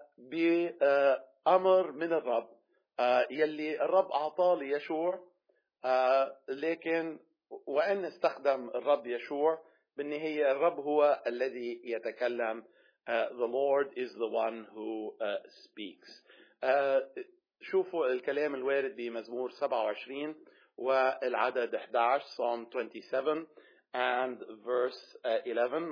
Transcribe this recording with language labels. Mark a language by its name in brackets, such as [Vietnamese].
[Arabic] بأمر من الرب يلي الرب أعطاه ليشوع، لكن وإن استخدم الرب يشوع بالنهاية الرب هو الذي يتكلم. [English] The Lord is the one who speaks. [Arabic] شوفوا الكلام الوارد بمزمور 27 والعدد 11، [English] Psalm 27 and verse 11.